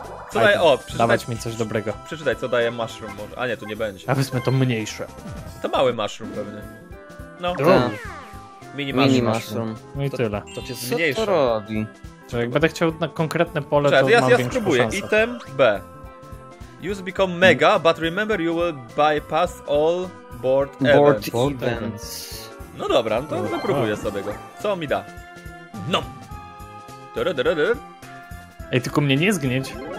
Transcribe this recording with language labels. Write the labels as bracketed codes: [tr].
[pl] Co daje... O, przeczytaj. Dawać mi coś dobrego. Przeczytaj, co daje mushroom może. A nie, tu nie będzie. A weźmy to mniejsze. To mały mushroom pewnie. No. Drugi. Mini mushroom. No i to, tyle. To cię zmniejsza. Co to robi? Czy jak będę chciał na konkretne pole, cześć, to ja, mam ja spróbuję. Szansę. [en] Item B. Use become mega, but remember you will bypass all board events. [pl] No dobra, to zapróbuję sobie go. Co mi da? No! Dyrydyrydy. Ej, tylko mnie nie zgnieć.